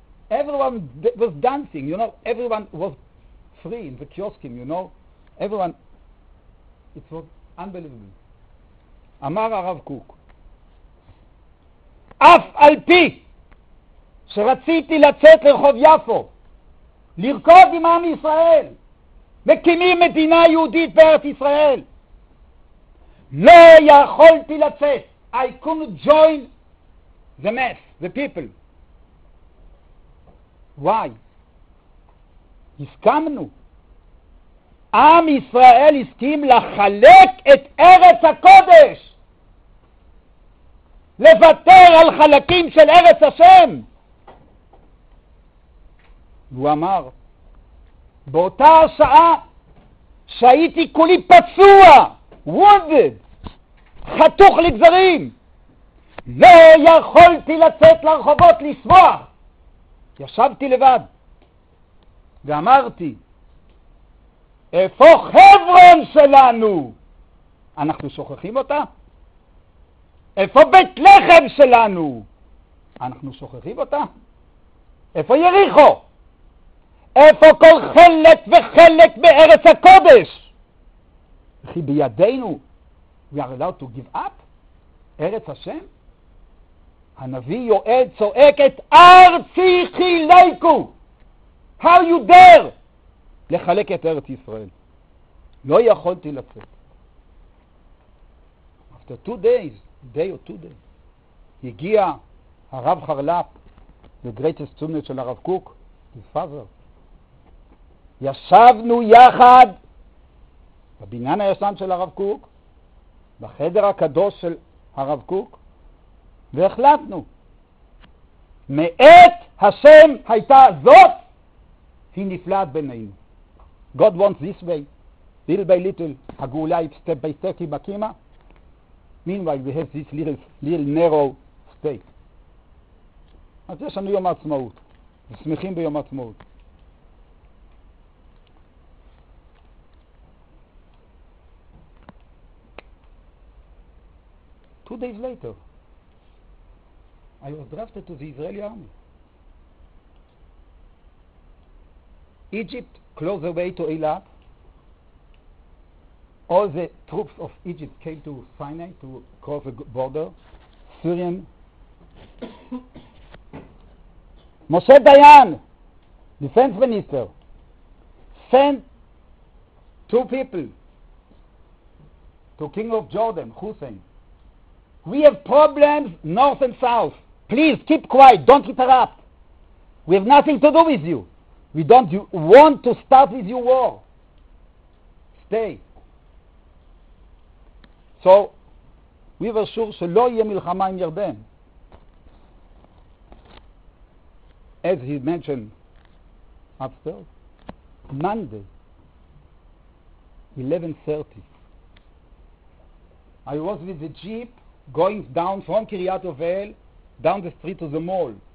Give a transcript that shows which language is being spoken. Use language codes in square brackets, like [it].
[en] Everyone was dancing, you know, everyone was free in the kioskim, you know. Everyone, it was unbelievable. [he] Amar Rav Kook, Af al pi, שרציתי לצאת לרחוב יפו, לרקוד עם עם ישראל, מקימים מדינה יהודית בארץ ישראל. לא יכולתי לצאת. [en] I couldn't join the mass, the people. Why? [he] הסכמנו. עם ישראל הסכים לחלק את ארץ הקודש. לוותר על חלקים של ארץ השם. והוא אמר, באותה השעה שהייתי כולי פצוע, [en] wounded, [he] חתוך לגזרים, לא יכולתי לצאת לרחובות לשמוח. ישבתי לבד ואמרתי, איפה חברון שלנו? אנחנו שוכחים אותה? איפה בית לחם שלנו? אנחנו שוכחים אותה? איפה יריחו? איפה כל חלק וחלק בארץ הקודש? כי בידינו, [en] we are allowed to give up? [he] ארץ השם? הנביא יואל צועק את ארצי חילקו! [en] How you dare? [he] לחלק את ארץ ישראל. לא יכולתי לצאת. [en] After two days, day or two days, [he] הגיע הרב חרלאפ, [en] the greatest student [he] של הרב קוק, [en] his father, [he] ישבנו יחד בבניין הישן של הרב קוק, בחדר הקדוש של הרב קוק, והחלטנו, מעת השם הייתה זאת, היא נפלאת בינינו. [en] God wants this way, little by little, [he] הגאולה היא [en] step by step, [he] היא מקימה. [en] Meanwhile, we have this little narrow space. [he] אז יש לנו יום העצמאות, ושמחים ביום העצמאות. [en] Two days later, I was drafted to the Israeli army. Egypt closed the way to Eilat. All the troops of Egypt came to Sinai to cross the border. Syrian. Moshe Dayan, defense minister, sent two people to King of Jordan, Hussein. We have problems north and south. Please keep quiet. Don't interrupt. We have nothing to do with you. We don't want to start with your war. Stay. So, we were sure [he] שלא יהיה מלחמה עם ירדן. [en] As he mentioned upstairs, Monday, 11:30, I was with the jeep going down from Kiryat Ovel, down the street to the mall.